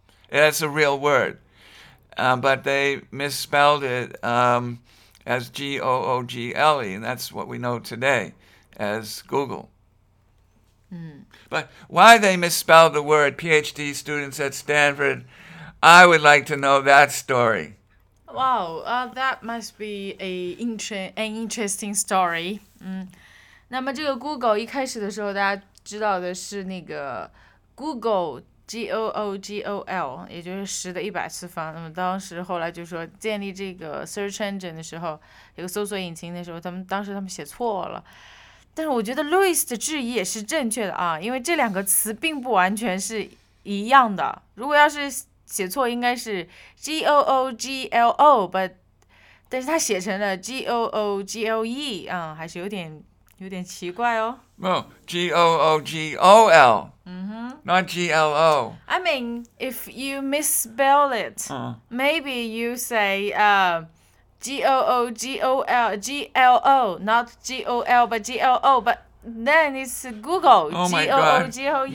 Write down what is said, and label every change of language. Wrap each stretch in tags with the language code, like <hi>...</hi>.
<en>That's a real word. But they misspelled it as G-O-O-G-L-E, and that's what we know today as Google. But why they misspelled the word PhD students at Stanford, I would like to know that story. Wow, that must be an interesting story.</en> <zh>那么这个 Google 一开始的时候大家知道的是那个 Google,G-O-O-G-O-L 也就是十的一百次方。那么当时后来就说建立这个 search engine 的时候，这个搜索引擎的时候，他们写错了。但是我觉得 Louis 的质疑也是正确的啊，因为这两个词并不完全是一样的。如果要是写错应该是 G-O-O-G-L-O， 但是他写成了 G-O-O-G-L-E 啊，还是有点奇怪哦。</zh> <en>No, G-O-O-G-O-L. Not G-L-O. I mean, if you misspell it, maybe you say G-O-O-G-O-L, G-L-O, not G-O-L, but G-L-O, but then it's Google, G-O-O-G-O-E.</en>